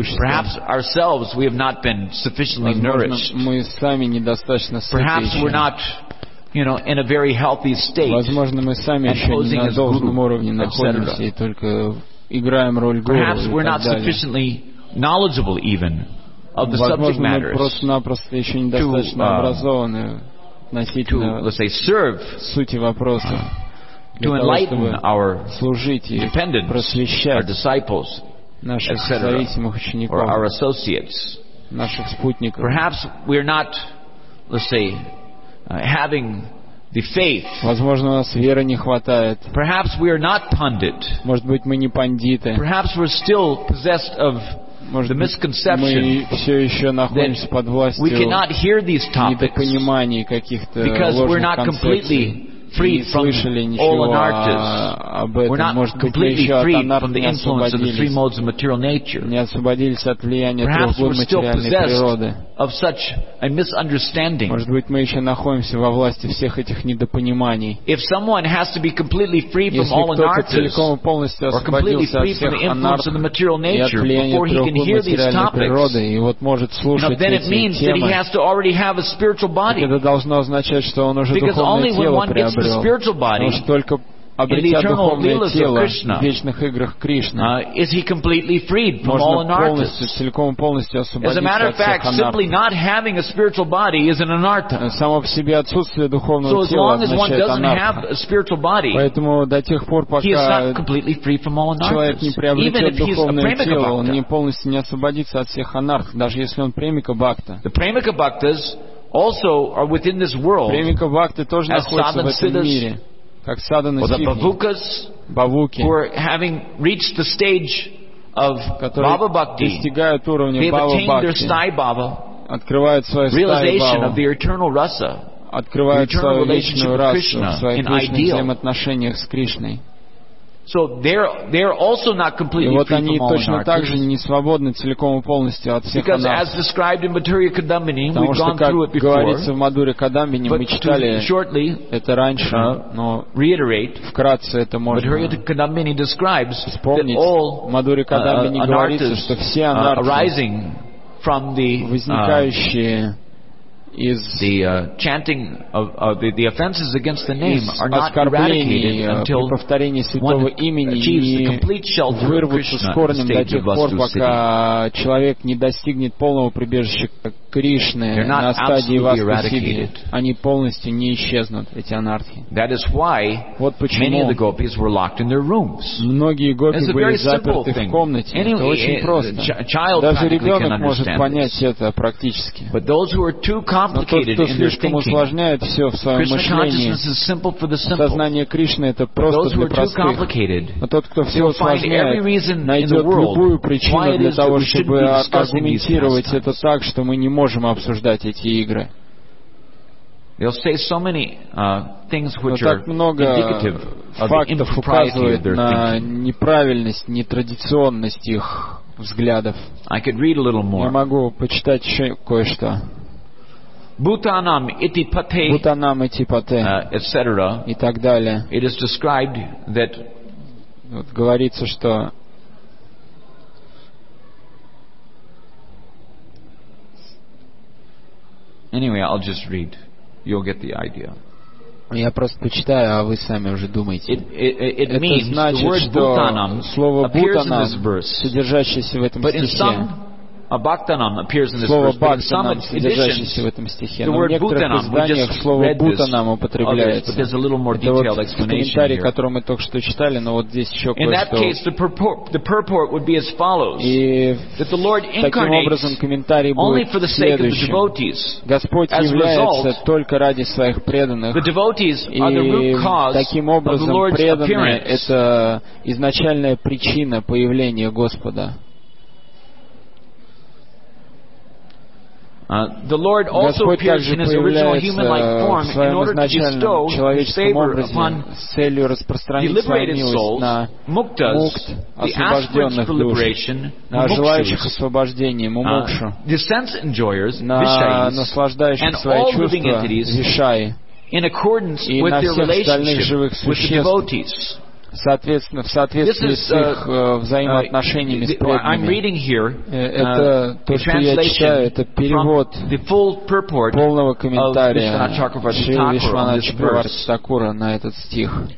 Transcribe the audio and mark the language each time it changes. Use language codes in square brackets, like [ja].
[en] Perhaps ourselves we have not been sufficiently nourished. Perhaps we're not, you know, in a very healthy state. [ru] Возможно, мы сами еще не на должном уровне находимся и только играем роль гуру. [en] Perhaps we're not sufficiently knowledgeable even. [ru] Возможно, мы просто-напросто еще недостаточно образованы относительно сути вопроса, для того, чтобы служить и просвещать наших зависимых учеников, наших спутников. [en] Perhaps we're not, let's say, having the faith. [ru] Возможно, у нас веры не хватает. [en] Perhaps we are not pundit. [ru] Может быть, мы не пандиты. [en] Perhaps we're still possessed of the misconception that we cannot hear these topics because we're not completely freed from all anarchists. We're not completely freed from the influence of the three modes of material nature. Perhaps we're still possessed of such a misunderstanding. [ru] Может быть, мы еще находимся во власти всех этих недопониманий. [en] If someone has to be completely free from all anarchists, or completely free from the influence of the material nature, before he can hear these topics, then it means that he has to already have a spiritual body. [ru] Это должно означать, что он уже духовное тело приобрел. [en] Because only when one gets the spiritual body, [ru] обретя духовное тело в вечных играх Кришны, можно полностью, целиком и полностью освободиться от всех анартх. Само по себе отсутствие духовного тела означает анартх. Поэтому до тех пор, пока человек не приобретет духовное тело, он не полностью не освободится от всех анартх, даже если он премика бхакта. Премика бхакта тоже находится в этом мире. Как саданы сиддхи, бавуки, [en] who are having reached the stage of bhava bhakti, [ru] достигают уровня бхава бхакти, открывают свое [en] realization of the eternal rasa, [ru] открывают свою личную расу в своих личных взаимоотношениях с Кришной. [en] So they're also not completely free from all anarchy. [ru] И вот они точно так же не свободны целиком и полностью от всех [en] анархов. Because as described in Madhurya Kadambini, we've gone through it before. [ru] Потому что, как говорится в Мадхуре Кадамбини, мы читали это раньше, но вкратце это можно вспомнить. [en] Madhurya Kadambini describes that all anarchists arising from the [ru] возникающие из [en] the chanting of the offenses against the name are not eradicated until one achieves the complete shelter of Krishna. [ru] До тех пор, пока человек не достигнет полного прибежища Кришны на стадии Васту-сиддхи, они полностью не исчезнут, эти анартхи. [en] That is why many of the gopis were locked in their rooms. [ru] Многие гопи были заперты в комнате. Это очень просто. Даже ребенок может понять это практически. [en] But those who are too [ru] но тот, кто слишком усложняет все в своем мышлении, сознание Кришны — это просто для простых. Но тот, кто все усложняет, найдет любую причину для того, чтобы аргументировать это так, что мы не можем обсуждать эти игры. [en] They'll say so many things which are indicative of the impropriety of their thinking. [ru] Неправильность, нетрадиционность их взглядов. [en] I could read a little more. [ru] Я могу почитать еще кое-что. [sa] Бутанам ити пате, бутанам ити пате, [en] etc. [ru] И так далее. [en] It is described that [ru] вот говорится, что [en] anyway, I'll just read. You'll get the idea. [ru] Я просто почитаю, а вы сами уже думаете. [en] It means, [ru] это значит, [en] the word [ru] что бутанам слово [en] бутанам, verse, [ru] содержащееся в этом стихе. [en] A bhaktanam appears in this [ru] слово [en] verse. [ru] В этом стихе. [en] The word bhutanam, [ru] слово бутанам употребляется. [en] Others, but there's a little more detailed explanation here. [ru] Это комментарий, который мы только что читали, но вот здесь еще кое-что. [en] In that case, the purport would be as follows. [ru] И [en] that the Lord [ru] таким образом комментарий будет [en] only for the sake of the devotees. [ru] Господь является только ради своих преданных. [en] The devotees are the root cause. [ru] И таким образом преданные — это изначальная причина появления Господа. [en] The Lord also appears in his original human-like form in order to bestow his favor upon the liberated souls, muktas, the aspirants for liberation, mukshus, the sense enjoyers, vishayis, and all living entities, in accordance with their relationship with the devotees. [ru] Соответственно, в соответствии с их взаимоотношениями с преданными. Это то, что я читаю, это перевод полного комментария Шри Вишвана Чакраварти Такура на этот стих.